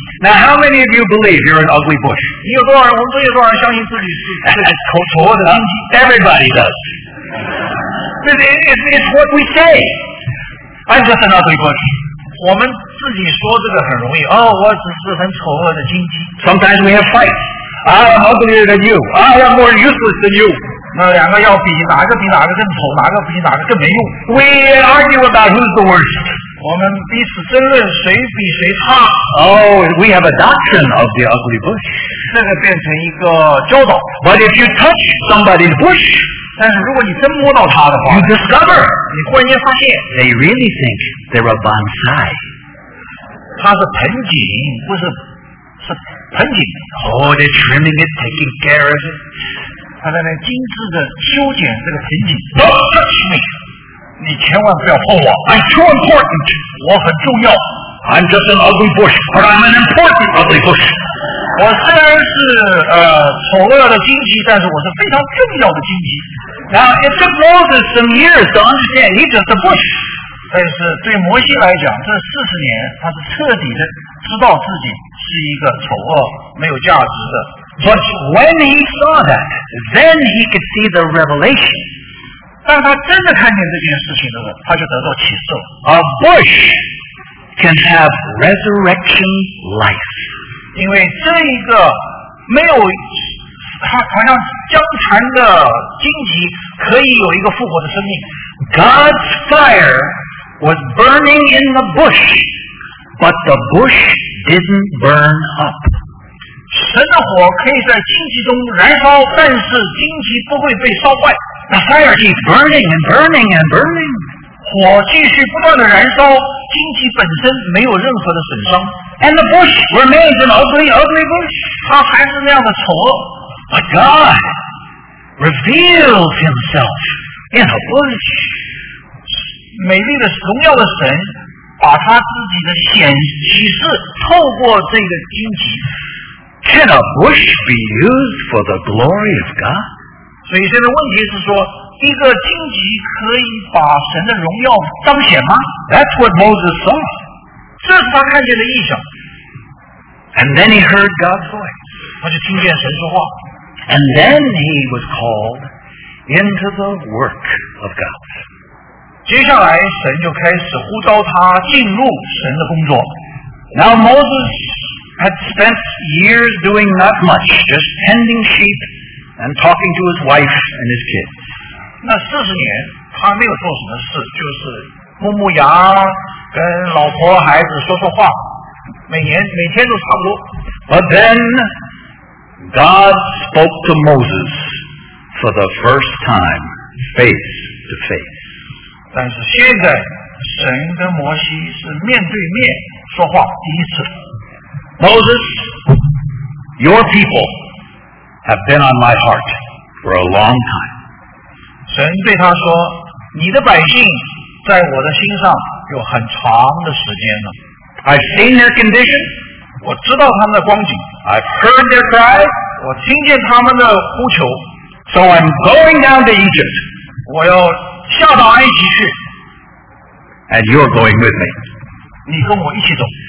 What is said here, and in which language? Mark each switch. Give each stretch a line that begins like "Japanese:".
English: Now, how many of you believe you're an ugly bush?
Chinese: 你有多少人？我们中有多少人相信自己是丑恶的荆棘
English: ？Everybody does. It's what we say. I'm just an ugly bush.
Chinese: 我们自己说这个很容易哦，我只是很丑恶的荆棘。
English: Sometimes we have fights. I'm uglier than you. I am more useless than you.
Chinese: 那两个要比，哪个比哪个更丑，哪个比哪个更没用。
English: We argue about who's the worst.
Chinese: 我们彼此争论谁比谁差。
English: Oh, we have a doctrine of the ugly bush.
Chinese: 这个变成一个教导。
English: But if you touch somebody's bush,
Chinese: 但是如果你真摸到他的话
English: ，you discover.
Chinese: 你忽然间发现
English: ，they really think. They're a bonsai.
Chinese: 它是盆景，不是，是盆景。
English: Oh, they're trimming it, taking care of it.
Chinese: 他在那精致的修剪这个瓶颈。
English: Don't touch me.
Chinese: 你千万不要碰我。
English: I'm too important.
Chinese: 我很重要。
English: I'm just an ugly bush, but I'm an important ugly bush.
Chinese: 我虽然是丑恶的荆棘，但是我是非常重要的荆棘。
English: Now it took Moses some years to understand he's just a bush.
Chinese: 但是对摩西来讲，这四十年他是彻底的知道自己是一个丑恶、没有价值的。
English: But when he saw that, then he could see the revelation.
Chinese: 当他真的看见这件事情的时候，他就得到启示了。
English: A bush can have resurrection life.
Chinese: 因为这一个没有他好像僵残的荆棘可以有一个复活的生命。
English: God's fire was burning in the bush, but the bush didn't burn up.
Chinese: 神的火可以在荆棘中燃烧，但是荆棘不会被烧坏。
English: The fire keeps burning and burning and burning.
Chinese: 火继续不断的燃烧，荆棘本身没有任何的损伤。
English: And the bush remains an ugly, ugly bush.
Chinese: 它还是那样的丑恶。
English: But God reveals himself in a bush.
Chinese: 美丽的荣耀的神把他自己的显启示透过这个荆棘。
English: Can a bush be used for the glory of God?
Chinese: 所以现在问题是说，一个荆棘可以把神的荣耀彰显吗？
English: That's what Moses saw.
Chinese: 这是他看见的异象。
English: And then he heard God's voice.
Chinese: 他就听见神说话。
English: And then he was called into the work of God.
Chinese: 接下来神就开始呼召他进入神的工作。
English: Now Moses had spent years doing not much, just tending sheep and talking to his wife and his kids.
Chinese: 那四十年他没有做什么事，就是牧牧羊，跟老婆孩子说说话，每天都差不多。
English: But then God spoke to Moses for the first time, face to face.
Chinese: 但是现在神跟摩西是面对面说话第一次。
English: Moses, your people have been on my heart for a long time.
Chinese: 神对他说，你的百姓在我的心上有很长的时间了。
English: I've seen their condition.
Chinese: 我知道他们的光景。
English: I've heard their cry.
Chinese: 我听见他们的呼求。
English: So I'm going down to Egypt.
Chinese: 我要下到埃及去。
English: And you're going with me.
Chinese: 你跟我一起走。